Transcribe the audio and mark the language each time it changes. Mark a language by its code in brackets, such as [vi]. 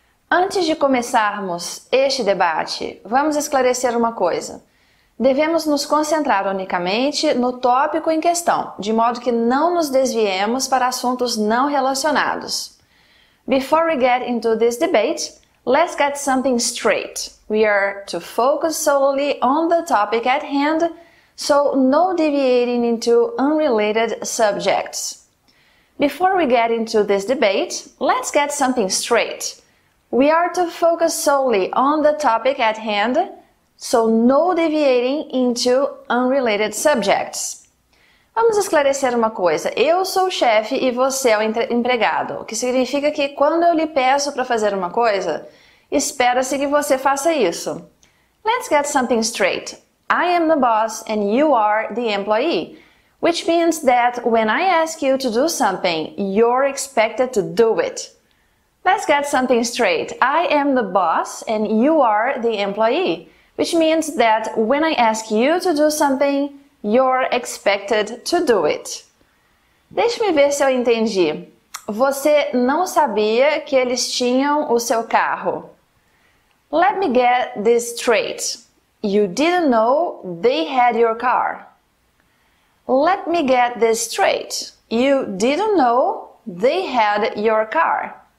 [pt] Antes de começarmos este debate, vamos esclarecer uma coisa. Devemos nos concentrar unicamente no tópico em questão, de modo que não nos desviemos para assuntos não relacionados. [en] Before we get into this debate, let's get something straight. We are to focus solely on the topic at hand, so no deviating into unrelated subjects. Before we get into this debate, let's get something straight. We are to focus solely on the topic at hand, so no deviating into unrelated subjects. [pt] Vamos esclarecer uma coisa. Eu sou o chefe e você é o empregado, o que significa que quando eu lhe peço para fazer uma coisa, espera-se que você faça isso. [en] Let's get something straight. I am the boss and you are the employee, which means that when I ask you to do something, you're expected to do it. Let's get something straight. I am the boss and you are the employee, which means that when I ask you to do something, you're expected to do it. [pt] Deixe-me ver se eu entendi. Você não sabia que eles tinham o seu carro? [en] Let me get this straight. You didn't know they had your car. Let me get this straight. You didn't know they had your car.